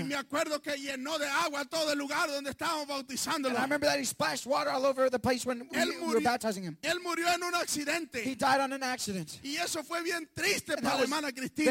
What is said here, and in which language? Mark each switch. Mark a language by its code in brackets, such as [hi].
[es] Y me acuerdo que llenó de agua todo el lugar donde estábamos bautizándolo. [en] And I remember that he splashed water all over the place when we were baptizing. baptizing him. [es] Él murió en un accidente. [en] He died on an accident. [es] Y eso fue bien triste para la hermana Cristina.